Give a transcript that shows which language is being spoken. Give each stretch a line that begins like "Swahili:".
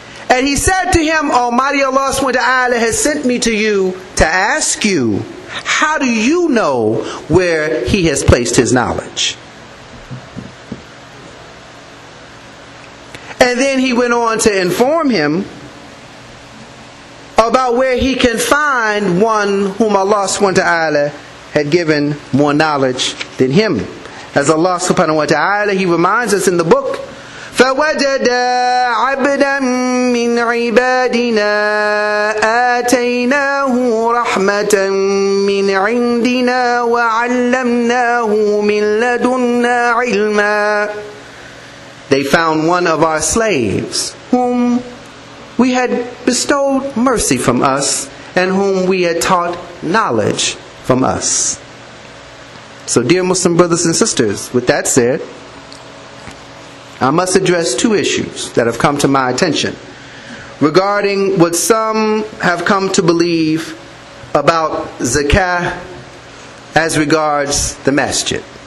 English: And he said to him, Almighty Allah subhanahu wa ta'ala has sent me to you to ask you, how do you know where he has placed his knowledge? And then he went on to inform him about where he can find one whom Allah subhanahu wa ta'ala had given more knowledge than him. As Allah subhanahu wa ta'ala, he reminds us in the book,
Arabic: فَوَجَدَا عَبْدًا مِّنْ عِبَادِنَا آتَيْنَاهُ رَحْمَةً مِّنْ عِنْدِنَا وَعَلَّمْنَاهُ مِنْ لَدُنَّا عِلْمًا.
English: They found one of our slaves whom we had bestowed mercy from us and whom we had taught knowledge from us. So dear Muslim brothers and sisters, with that said, I must address two issues that have come to my attention regarding what some have come to believe about zakah as regards the masjid.